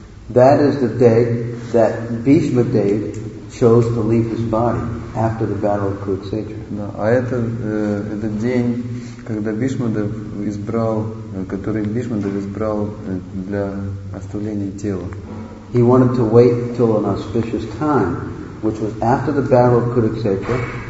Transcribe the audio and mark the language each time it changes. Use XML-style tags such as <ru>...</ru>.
<en>That is the day that Bhishma Dev chose to leave his body after the battle of Kurukshetra.</en> <ru>Да, а это этот день, когда Бхишма Дев избрал для оставления тела.</ru> <en>He wanted to wait till an auspicious time, which was after the battle of Kurukshetra.</en>